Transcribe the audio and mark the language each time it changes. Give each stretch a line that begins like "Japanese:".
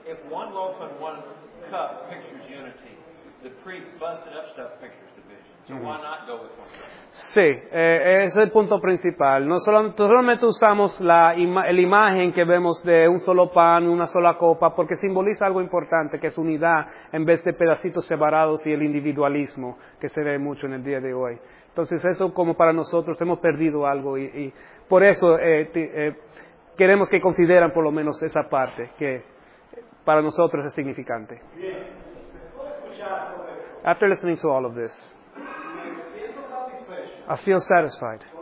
English: If one loaf and one cup pictures unity, the pre-busted up stuff pictures division. So why not go with one cup?
Spanish: Sí, es el punto principal. No solamente usamos la imagen que vemos de un solo pan, una sola copa, porque simboliza algo importante, que es unidad, en vez de pedacitos separados y el individualismo, que se ve mucho en el día de hoy. Entonces, eso como para nosotros, hemos perdido algo, y por eso queremos que consideren por lo menos esa parte, que para nosotros es significante.
English: After listening to all of this, I feel satisfied.